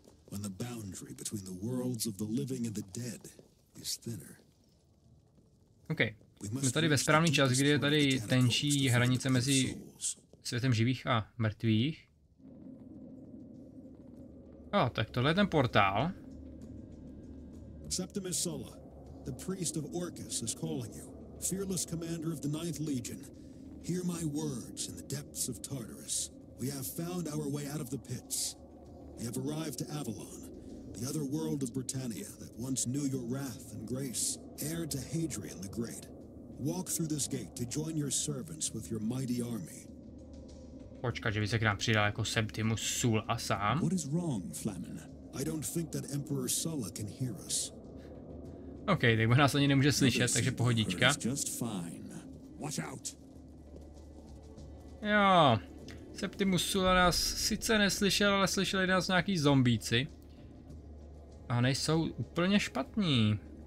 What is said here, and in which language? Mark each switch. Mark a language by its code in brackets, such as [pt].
[en] When the boundary between the worlds of the living and the dead is thinner. [cs] OK, jsme tady ve správný čas, kdy je tady tenčí hranice mezi světem živých a mrtvých. Oh, tak tohle je ten portál. [en] Septimus Sulla, the priest of Orcus is calling you, fearless commander of the Ninth Legion. Hear my words in the depths of Tartarus. We have found our way out of the pits. We have arrived to Avalon, the other world of Britannia that once knew your wrath and grace, heir to Hadrian the Great. Walk through this gate to join your servants with your mighty army. [cs] Počkat, že by se k nám přidal jako Septimus Sulla sám. [en] What is wrong, Flamin? I don't think that Emperor Sulla can hear us. [cs] Okay, tak nás ani nemůže slyšet, takže pohodička. [en] Just fine. Watch out. [cs] Jo. Septimus Sulla nás sice neslyšel, ale slyšeli nás nějaký zombíci. A nejsou úplně špatní.